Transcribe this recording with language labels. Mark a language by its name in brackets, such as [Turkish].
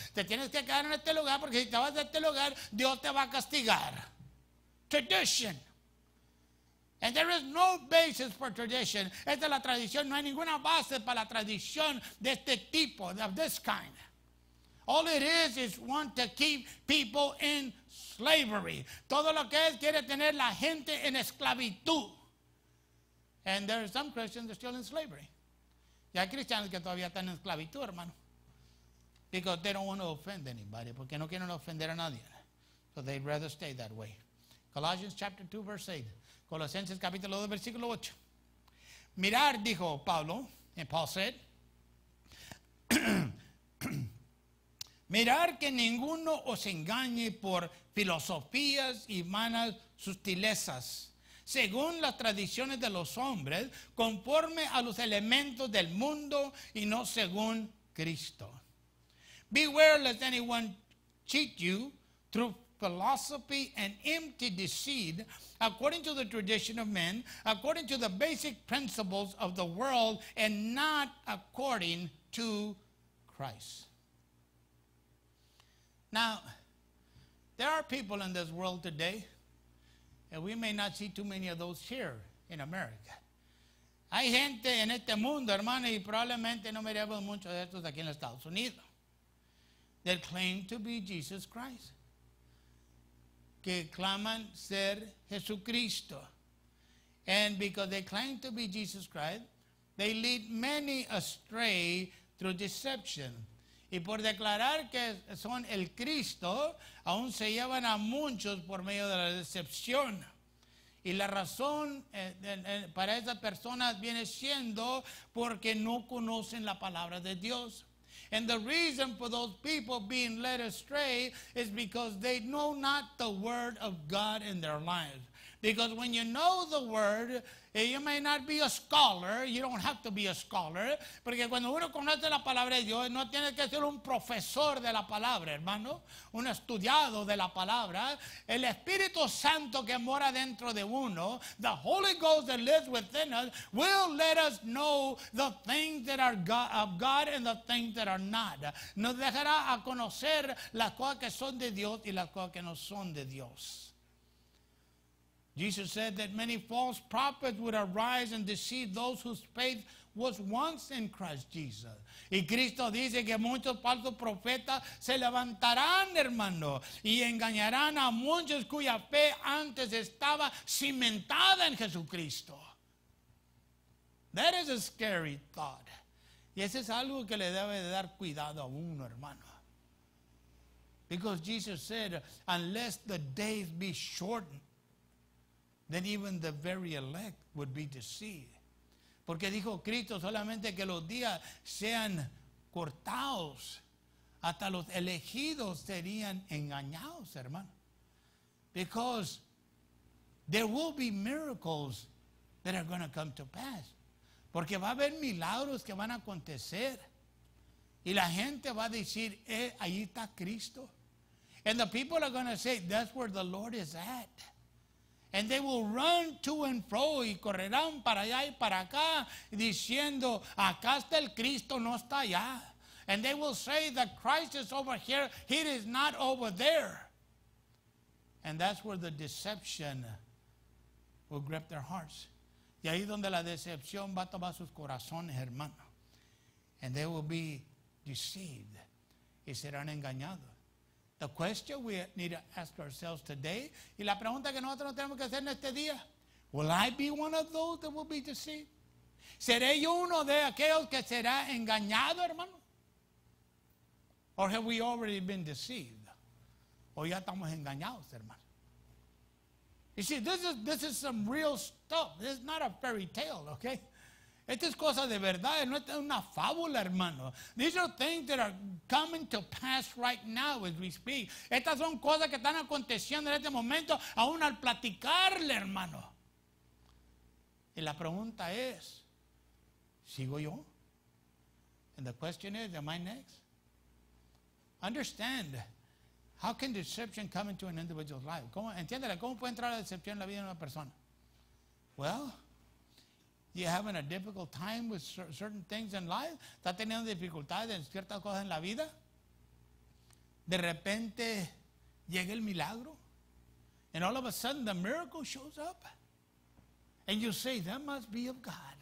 [Spanish] Te tienes que quedar en este lugar porque si te vas de este lugar, Dios te va a castigar. [English] Tradition. And there is no basis for tradition. [Spanish] Esta es la tradición, no hay ninguna base para la tradición de este tipo, [English] of this kind. All it is want to keep people in slavery. [Spanish] Todo lo que es quiere tener la gente en esclavitud. [English] And there are some Christians that are still in slavery. [Spanish] Y hay cristianos que todavía están en esclavitud, hermano. [English] Because they don't want to offend anybody. [Spanish] Porque no quieren ofender a nadie. [English] So they'd rather stay that way. Colossians chapter 2, verse 8. [Spanish] Colosenses capítulo 2, versículo 8. Mirar, dijo Pablo. [English] And Paul said, [Spanish] mirar que ninguno os engañe por filosofías y vanas sutilezas, según las tradiciones de los hombres, conforme a los elementos del mundo y no según Cristo. [English] Beware lest anyone cheat you through philosophy and empty deceit, according to the tradition of men, according to the basic principles of the world, and not according to Christ. Now, there are people in this world today, and we may not see too many of those here in America. [Spanish] Hay gente en este mundo, hermano, y probablemente no miremos muchos de estos aquí en Estados Unidos, [English] that claim to be Jesus Christ, [Spanish] que claman ser Jesucristo. [English] And because they claim to be Jesus Christ, they lead many astray through deception. [Spanish] Y por declarar que son el Cristo, aún se llevan a muchos por medio de la decepción. Y la razón para esas personas viene siendo porque no conocen la palabra de Dios. [English] And the reason for those people being led astray is because they know not the word of God in their lives. Because when you know the word, you may not be a scholar. You don't have to be a scholar. [Spanish] Porque cuando uno conoce la palabra de Dios, no tiene que ser un profesor de la palabra, hermano. Un estudiado de la palabra. El Espíritu Santo que mora dentro de uno, [English] the Holy Ghost that lives within us, will let us know the things that are of God and the things that are not. [Spanish] Nos dejará a conocer las cosas que son de Dios y las cosas que no son de Dios. [English] Jesus said that many false prophets would arise and deceive those whose faith was once in Christ Jesus. [Spanish] Y Cristo dice que muchos falsos profetas se levantarán, hermano, y engañarán a muchos cuya fe antes estaba cimentada en Jesucristo. [English] That is a scary thought. [Spanish] Y ese es algo que le debe de dar cuidado a uno, hermano. [English] Because Jesus said, unless the days be shortened, then even the very elect would be deceived. [Spanish] Porque dijo Cristo solamente que los días sean cortados, hasta los elegidos serían engañados, hermano. [English] Because there will be miracles that are going to come to pass. [Spanish] Porque va a haber milagros que van a acontecer. Y la gente va a decir, ahí está Cristo. [English] And the people are going to say, that's where the Lord is at. And they will run to and fro, [Spanish] y correrán para allá y para acá, diciendo, acá está el Cristo, no está allá. [English] And they will say that Christ is over here, he is not over there. And that's where the deception will grip their hearts. [Spanish] Y ahí donde la decepción va a tomar sus corazones, hermano. [English] And they will be deceived, [Spanish] y serán engañados. [English] The question we need to ask ourselves today, [Spanish] y la pregunta que nosotros tenemos que hacer en este día, [English] will I be one of those that will be deceived? [Spanish] ¿Seré yo uno de aquellos que será engañado, hermano? [English] Or have we already been deceived? [Spanish] ¿O ya estamos engañados, hermano? [English] You see, this is some real stuff. This is not a fairy tale, okay? [Spanish] Esto es cosa de verdad, no es una fábula, hermano. [English] These are things that are coming to pass right now as we speak. [Spanish] Estas son cosas que están aconteciendo en este momento, aún al platicarle, hermano. Y la pregunta es, ¿sigo yo? [English] And the question is, am I next? Understand, how can deception come into an individual's life? [Spanish] ¿Cómo, entiéndela, cómo puede entrar la decepción en la vida de una persona? [English] Well, you're having a difficult time with certain things in life. [Spanish] ¿Está teniendo dificultades en ciertas cosas en la vida? De repente llega el milagro. [English] And all of a sudden the miracle shows up. And you say, that must be of God.